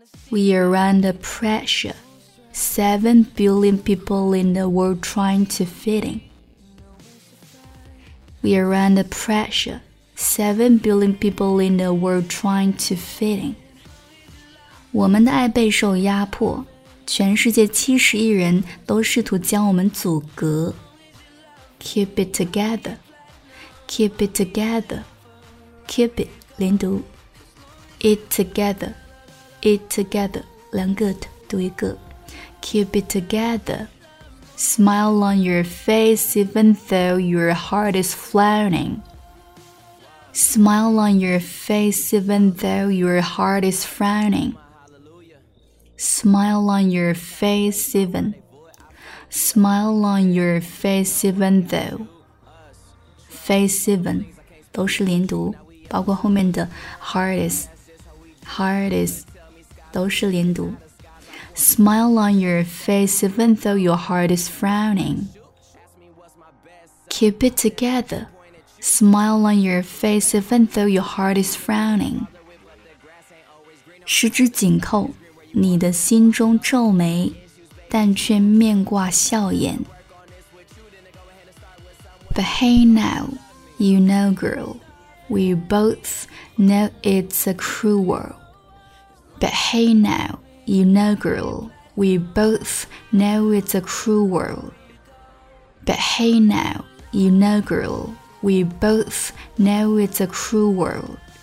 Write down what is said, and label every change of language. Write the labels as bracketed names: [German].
[English] We are under pressure. 7 billion people in the world trying to fit in. We are under pressure. 7 billion people in the world trying to fit in. [Chinese] 我们的爱备受压迫，全世界70亿人都试图将我们阻隔。 [English] Keep it together. Keep it together. Keep it, [Chinese] 连读 [English] It together, it together, [Chinese] 两个 [English] t, [Chinese] 读一个 [English] Keep it together, smile on your face even though your heart is frowning. Smile on your face even though your heart is frowning. Smile on your face even, smile on your face even though. Face even, [Chinese] 都是连读包括后面的 [English] hardest, hardest, [Chinese] 都是连读。 [English] Smile on your face even though your heart is frowning. Keep it together. Smile on your face even though your heart is frowning. [Chinese] 十指紧扣，你的心中皱眉，但却面挂笑颜。 [English] But hey now, you know girl. We both know it's a cruel world. But hey now, you know girl, we both know it's a cruel world. But hey now, you know girl, we both know it's a cruel world.